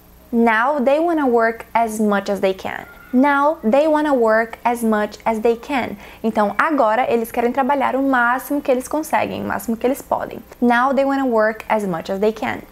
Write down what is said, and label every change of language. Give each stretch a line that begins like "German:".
English: Now they wanna work as much as they can. Now they wanna work as much as they can.
Portuguese: Então agora eles querem trabalhar o máximo que eles conseguem, o máximo que eles podem.
English: Now they wanna work as much as they can.